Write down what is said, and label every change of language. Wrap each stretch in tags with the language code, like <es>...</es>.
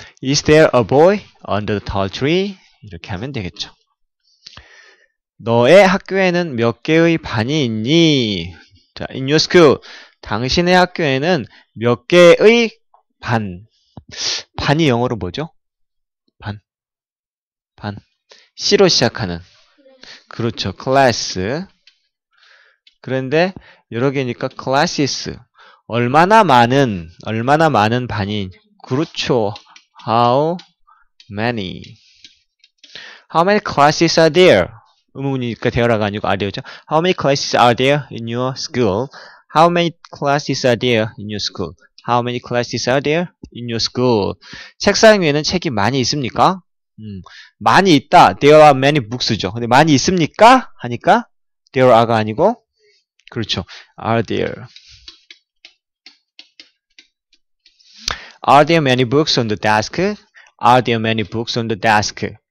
<en>Is there a boy under the tall tree?</en> <ko>이렇게 하면 되겠죠. 너의 학교에는 몇 개의 반이 있니?</ko> <en>자, in your school.</en> <ko>당신의 학교에는 몇 개의 반? 반이 영어로 뭐죠? 반. 반. C로 시작하는. 그렇죠. class. 그런데 여러 개니까 classes. 얼마나 많은 반이 그렇죠.</ko> <en>How many? How many classes are there?</en> <ko>의문이니까 there가 아니고 are죠.</ko> <en>How many classes are there in your school? How many classes are there in your school? How many classes are there in your school?</en> <ko>책상 위에는 책이 많이 있습니까? 많이 있다.</ko> <en>There are many books</en> <ko>죠. 근데 많이 있습니까? 하니까</ko> <en>there are</en> <ko>가 아니고 그렇죠.</ko> <en>Are there? Are there many books on the desk? Are there many books on the desk?</en>